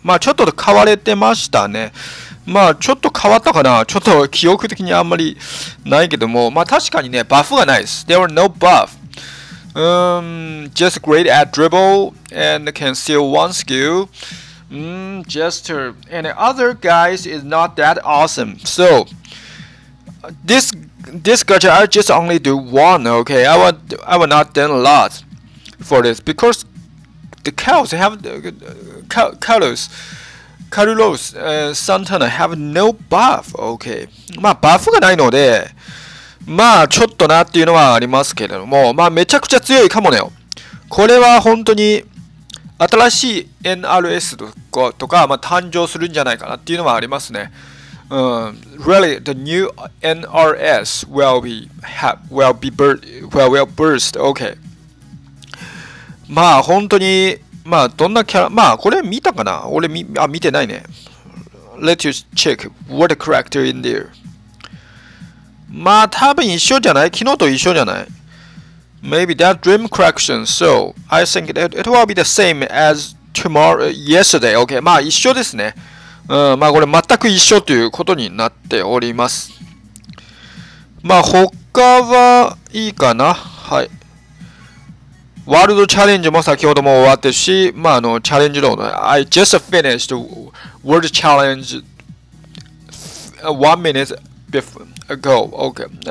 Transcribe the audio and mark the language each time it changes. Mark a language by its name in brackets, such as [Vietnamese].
[Japanese] まあちょっと変われてましたね。まあちょっと変わったかな。ちょっと記憶的にあんまりないけども。まあ確かにね、バフがないです。 [English] There were no buff. Just great at dribble and can steal one skill. Jester and other guys is not that awesome. So this gacha I just only do one. Okay, I will not done a lot for this because the Kalos have Carlos Santana have no buff. [Japanese] Okay, まあバフがないので、まあちょっとなっていうのはありますけれども、まあめちゃくちゃ強いかもね。これは本当に。新しい NRS とか、まあ、誕生するんじゃないかなっていうのはありますね。 [English] Really, the new NRS will burst. Okay. [Japanese] まあ本当に、まあどんなキャラ、まあこれ見たかな? 俺見てないね。 [English] Let you check what character in there. [Japanese] まあ多分一緒じゃない? 昨日と一緒じゃない? [English] Maybe that dream collection. So I think it will be the same as tomorrow, yesterday. [Japanese] Okay, まあ一緒ですね。まあこれ全く一緒ということになっております。まあ他はいいかな。はい。ワールドチャレンジも先ほども終わってし、まああのチャレンジロード。 [English] I just finished world challenge 1 minute ago. Okay.